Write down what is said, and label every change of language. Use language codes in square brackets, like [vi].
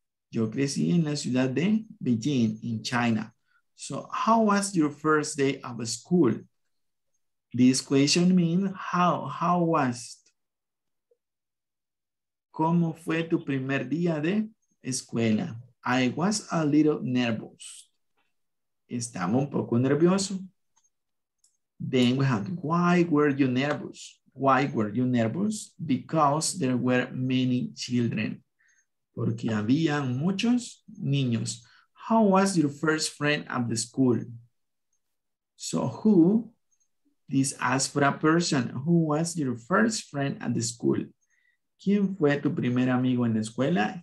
[es] Yo crecí en la ciudad de Beijing, [en] in China. So how was your first day of school? This question means how was? [es] ¿Cómo fue tu primer día de escuela? [en] I was a little nervous. [es] Estaba un poco nervioso. [en] Then we have, why were you nervous? Why were you nervous? Because there were many children. [es] Porque había muchos niños. [en] How was your first friend at the school? So who? This asks for a person. Who was your first friend at the school? [es] ¿Quién fue tu primer amigo en la escuela?